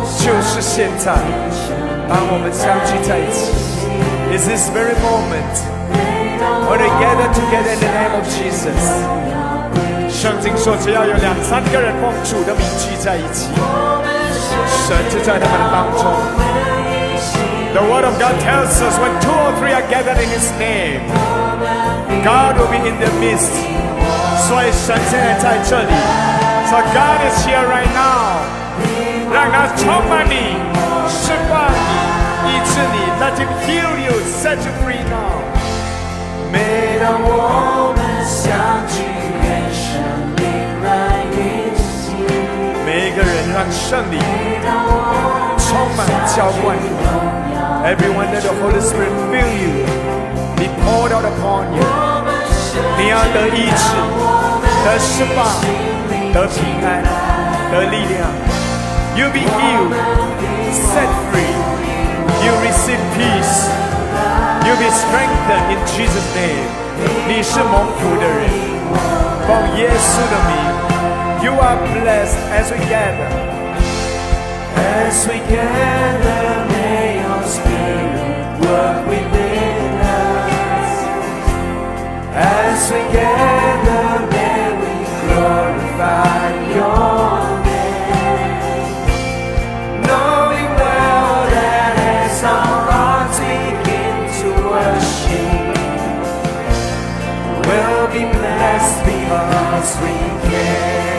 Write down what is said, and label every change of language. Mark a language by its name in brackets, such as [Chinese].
[Chinese] 就是现在，当我们相聚在一起 ， [English] is this very moment， we're together together in the name of Jesus。 [Chinese] 圣经说，只要有两三个人奉主的名聚在一起，神就在他们的当中。 [English] The word of God tells us when two or three are gathered in His name， God will be in the midst。 [Chinese] 所以神现在在这里。 [English] So God is here right now. [Chinese] 让他充满你，释放你，医治你。 [English] Let Him heal you, set you free now. [Chinese] 每当我们相聚，愿圣灵来运行。每一个人让圣灵充满浇灌你。 [English] Everyone, let the Holy Spirit fill you. Be poured out upon you. [Chinese] 你要得医治，得释放。得平安，得力量。 [English] You'll be healed, set free. You'll receive peace. You'll be strengthened in Jesus' name. [Chinese] 你是蒙福的人，奉耶稣的名。 [English] You are blessed as we gather. As we gather, may your spirit work within us. As we gather, may we glory. By your name, knowing well that as our hearts begin to worship, we'll be blessed because we can.